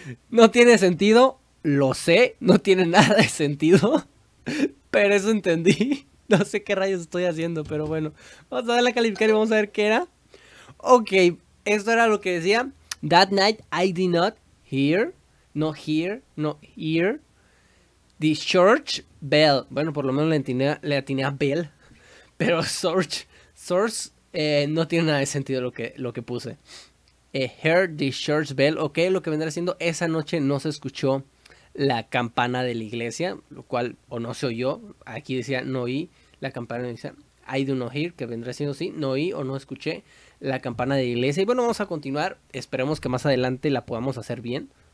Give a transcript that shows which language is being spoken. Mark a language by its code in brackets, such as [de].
[es] No tiene sentido, lo sé, no tiene nada de sentido, pero eso entendí. No sé qué rayos estoy haciendo, pero bueno, vamos a darle a calificar y vamos a ver qué era. Ok, esto era lo que decía. [en] That night I did not hear, no hear, no hear, the church bell. [es] Bueno, por lo menos le atiné a bell, pero search, source, no tiene nada de sentido lo que puse. [en] Heard the church bell, [es] ok, lo que vendrá siendo esa noche no se escuchó la campana de la iglesia, lo cual o no se oyó, aquí decía no oí la campana de la iglesia, [en] I do not hear, [es] que vendrá siendo sí, no oí o no escuché la campana de la iglesia. Y bueno, vamos a continuar, esperemos que más adelante la podamos hacer bien.